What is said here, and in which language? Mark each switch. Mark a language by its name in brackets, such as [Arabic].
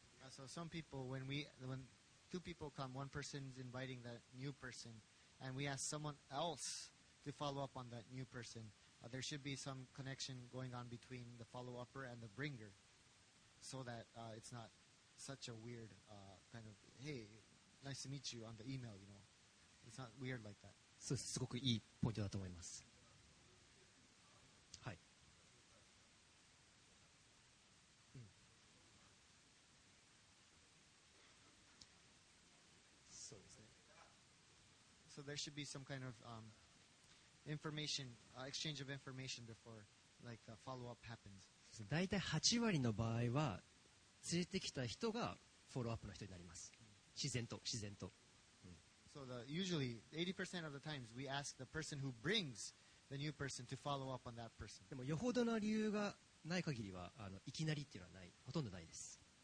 [English] So some people, when we, when two people come, one person's inviting that new person, and we ask someone else to follow up on that new person, there should be some connection going on between the follow-upper and the bringer, so that it's not such a weird kind of, hey, nice to meet you on the email, you know. It's not weird like that. [Japanese] そう、すごくいいポイントだと思います。 [English] So there should be some kind of information, exchange of information before, like a follow-up happens. [Japanese] So, 大体8割の場合は連れてきた人がフォローアップの人になります。自然と、自然と。 [English] So the usually 80% of the times we ask the person who brings the new person to follow up on that person. [Japanese] でもよほどの理由がない限りは、あのいきなりっていうのはない、ほとんどないです。